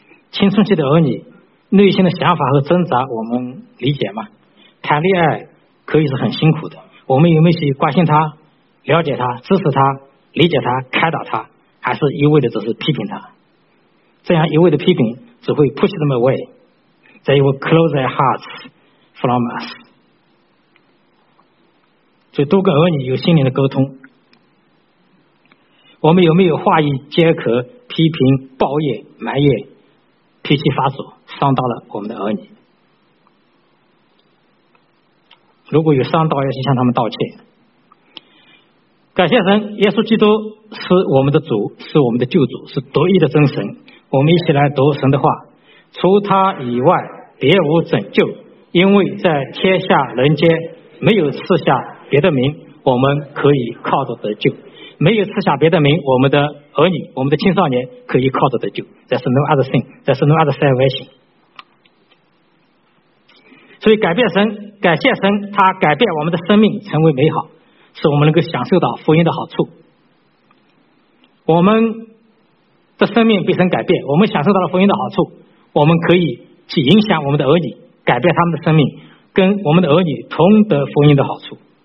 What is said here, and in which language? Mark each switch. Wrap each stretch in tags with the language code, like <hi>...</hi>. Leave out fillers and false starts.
<zh>青春期的儿女内心的想法和挣扎我们理解吗？谈恋爱可以是很辛苦的，我们有没有去关心他、了解他、支持他、理解他、开导他，还是一味的只是批评他？这样一味的批评只会</zh> <en>push them away, they will close their hearts from us.</en> <zh>所以多跟儿女有心灵的沟通。我们有没有话语皆可批评、抱怨、埋怨、脾气发作，伤到了我们的儿女？如果有伤到，要去向他们道歉。感谢神，耶稣基督是我们的主，是我们的救主，是独一的真神。我们一起来读神的话，除他以外别无拯救，因为在天下人间没有赐下别的名我们可以靠着得救，没有赐下别的名我们的儿女、我们的青少年可以靠着得救。</zh> <en>There's no other thing, there's no other salvation.</en> <zh>所以改变神，感谢神，他改变我们的生命成为美好，使我们能够享受到福音的好处。我们的生命被神改变，我们享受到了福音的好处，我们可以去影响我们的儿女，改变他们的生命，跟我们的儿女同得福音的好处。</zh>